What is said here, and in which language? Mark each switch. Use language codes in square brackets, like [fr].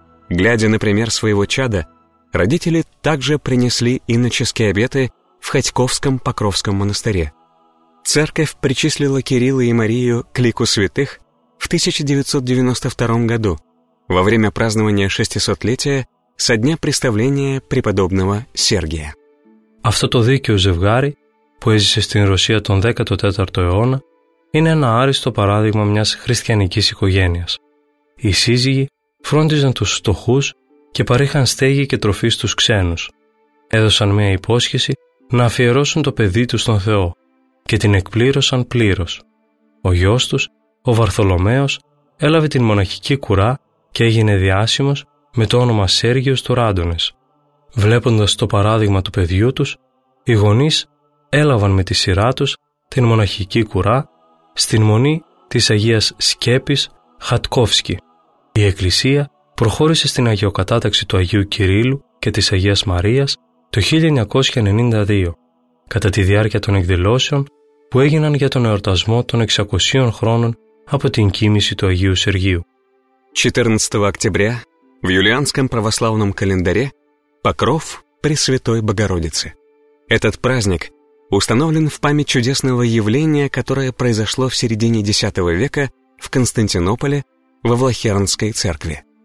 [ru] Глядя на пример своего чада, родители также принесли иноческие обеты в Ходьковском Покровском монастыре. Церковь причислила Кирилла и Марию к лику святых в 1992 году во время празднования 600-летия со дня представления преподобного Сергия. [el] Αυτό το δίκαιο ζευγάρι που έζησε στην Ρωσία τον 14ο αιώνα είναι ένα άριστο παράδειγμα μιας χριστιανικής οικογένειας. Οι σύζυγοι φρόντιζαν τους φτωχούς και παρήχαν στέγη και τροφή στους ξένους. Έδωσαν μια υπόσχεση να αφιερώσουν το παιδί τους στον Θεό και την εκπλήρωσαν πλήρως. Ο γιος τους, ο Βαρθολομαίος, έλαβε την μοναχική κουρά και έγινε διάσημος με το όνομα Σέργιος του Ράντονης. Βλέποντας το παράδειγμα του παιδιού τους, οι γονείς έλαβαν με τη σειρά τους την μοναχική κουρά στην μονή της Αγίας Σκέπης Χατκόφσκι. Η Εκκλησία προχώρησε στην αγιοκατάταξη του Αγίου Κυρίλλου και της Αγίας Μαρίας το 1992, κατά τη διάρκεια των εκδηλώσεων που έγιναν για τον εορτασμό των 600 χρόνων από την κοίμηση του Αγίου Σεργίου. [ru] 14 [el] Οκτωβρία, [ru] в юлианском православном календаре, Покров Пресвятой Богородицы. Этот праздник установлен в память чудесного явления, которое произошло в середине X века в Константинополе во Влахернской церкви.